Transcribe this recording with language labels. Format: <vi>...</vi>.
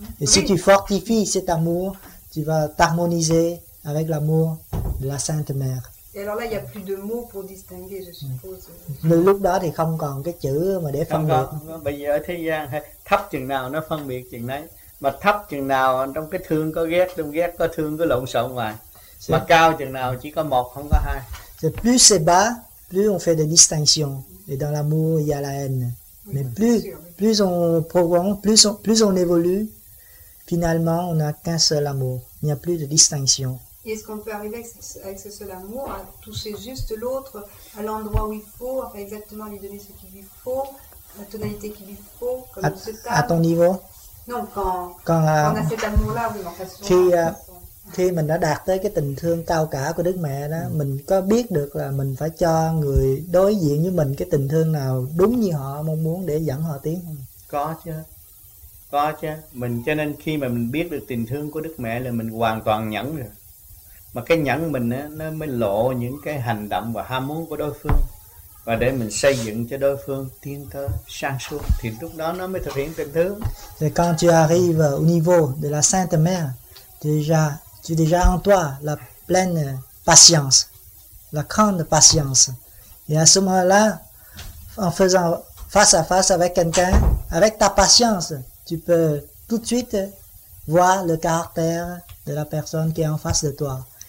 <fr>Et si tu fortifies cet amour, tu vas t'harmoniser avec l'amour de la Sainte Mère. Et alors là, il n'y a plus de mots pour distinguer, je suppose.</fr> <vi>Mais lúc đó thì không còn cái chữ mà để phân biệt. Bây giờ thế gian thấp chừng nào nó phân biệt chừng đấy. Mà thấp chừng nào trong cái thương có ghét, trong ghét có thương, có lộn xộn ngoài. Mà cao chừng nào chỉ có một, không có hai.</vi> <fr>C'est plus c'est bas, plus on fait des distinctions. Et dans l'amour, il y a la haine. Mais plus on progresse, plus on évolue, finalement, on n'a qu'un seul amour. Il n'y a plus de distinction. Et est-ce qu'on peut arriver avec ce seul amour à toucher juste l'autre à l'endroit où il faut, enfin exactement lui donner ce qu'il lui faut, la tonalité qu'il lui faut, comme il se tâme. À ton niveau? Non, quand on a cet amour-là, oui, en fait,</fr> <vi>khi mình đã đạt tới cái tình thương cao cả của Đức Mẹ đó, mình có biết được là mình phải cho người đối diện với mình cái tình thương nào đúng như họ mong muốn để dẫn họ tiến không? Có chứ. Mình cho nên khi mà mình biết được tình thương của Đức Mẹ là mình hoàn toàn nhẫn rồi. Mà cái nhẫn mình á, nó mới lộ những cái hành động và ham muốn của đối phương. Và để mình xây dựng cho đối phương tiến tới sang suốt thì lúc đó nó mới thực hiện tình thương.</vi> <fr>Et quand tu arrives au niveau de la Sainte Mère, tu déjà en toi la pleine patience, la grande patience. Et à ce moment-là, en faisant face à face avec quelqu'un, avec ta patience, tu peux tout de suite voir le caractère de la personne qui est en face de toi.</fr>